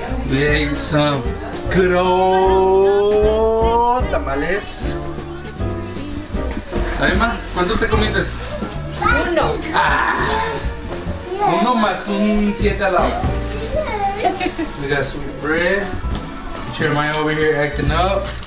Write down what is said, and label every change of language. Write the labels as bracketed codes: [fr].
[en] We ate some good old tamales. [es] Emma, ¿cuántos te comiste? Uno. Ah, uno más un siete al lado. [en] We got sweet bread. Jeremiah over here acting up.